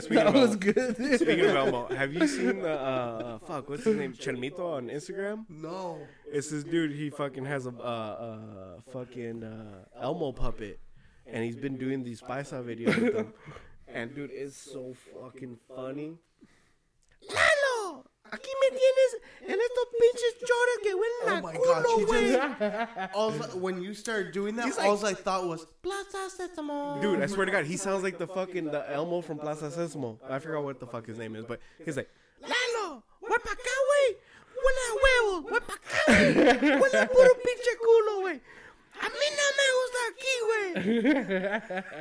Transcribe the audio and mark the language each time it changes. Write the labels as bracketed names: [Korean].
[English] that was good. Speaking of Elmo, have you seen the fuck, what's his name? Chelmito on Instagram? No. It's this dude, he fucking has a fucking Elmo puppet. And he's been doing these Paisa videos with them. And dude, it's so fucking funny. Lalo! [Spanish] Aquí me tienes en estos pinches choros que huelen a culo, güey. [English] When you started doing that, like, all I thought was Plaza Sésamo. Dude, I swear to God, he sounds like the fucking the Elmo from Plaza Sésamo. I forgot what the fuck his name is, but he's like, [Spanish] Lalo, huele pa' acá, güey. Huele a huevo, huele pa' acá, güey. Huele a puro pinche culo, güey. A mí no me gusta aquí, güey.